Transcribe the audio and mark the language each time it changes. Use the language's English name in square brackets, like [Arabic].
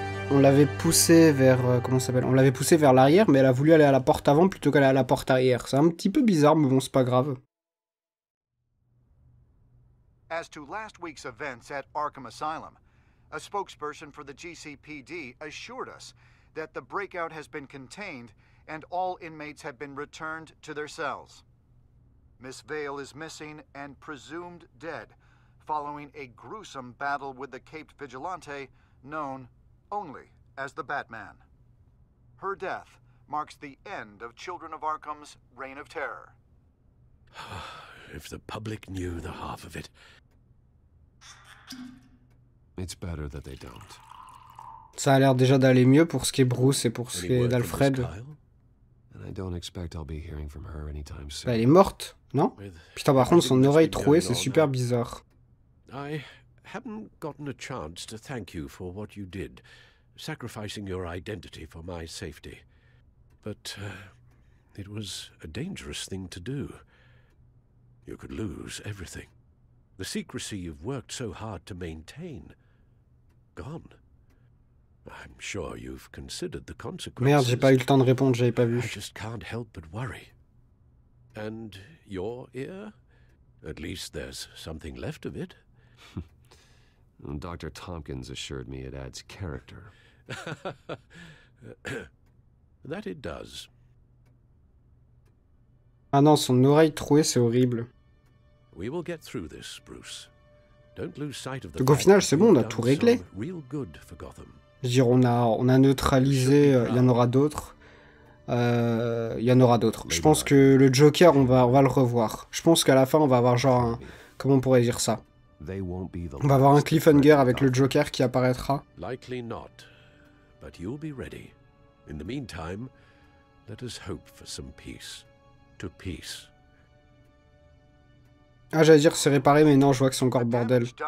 [French] On l'avait poussée vers... Comment ça s'appelle? On l'avait poussée vers l'arrière, mais elle a voulu aller à la porte avant plutôt qu'aller à la porte arrière. C'est un petit peu bizarre, mais bon, c'est pas grave. [English] As to last week's events at Arkham Asylum, a spokesperson for the GCPD assured us that the breakout has been contained and all inmates have been returned to their cells. Miss Vale is missing and presumed dead following a gruesome battle with the caped vigilante known only as the Batman. Her death marks the end of Children of Arkham's reign of terror. If the public knew the half of it. It's better that they don't. [French] Ça a l'air déjà d'aller mieux pour ce qui est Bruce et pour ce qui est d'Alfred. [English] I don't expect I'll be hearing from her anytime soon. [French] Bah, elle est morte, non? Putain, par contre, son oreille trouée, c'est super bizarre. [English] I haven't gotten a chance to thank you for what you did, sacrificing your identity for my safety. But it was a dangerous thing to do. You could lose everything. The secrecy you've worked so hard to maintain, gone. I'm sure you've considered the consequences. [French] Merde, j'ai pas eu le temps de répondre, j'avais pas vu. [English] I just can't help but worry. And your ear? At least there's something left of it. Dr. Tompkins assured me it adds character. That it does. [French] Ah non, son oreille trouée, c'est horrible. [English] We will get through this, Bruce. Don't lose sight of the [French] Donc au final, c'est bon, on a tout réglé. [English] Real good for Gotham. [French] Je veux dire, on a neutralisé, il y en aura d'autres. Il y en aura d'autres. Je pense que le Joker, on va le revoir. Je pense qu'à la fin, on va avoir genre un... Comment on pourrait dire ça? On va avoir un cliffhanger avec le Joker qui apparaîtra. [English] Likely not, but you'll be ready. In the meantime, let us hope for some peace. To peace. [French] Ah, j'allais dire c'est réparé, mais non, je vois que c'est encore bordel.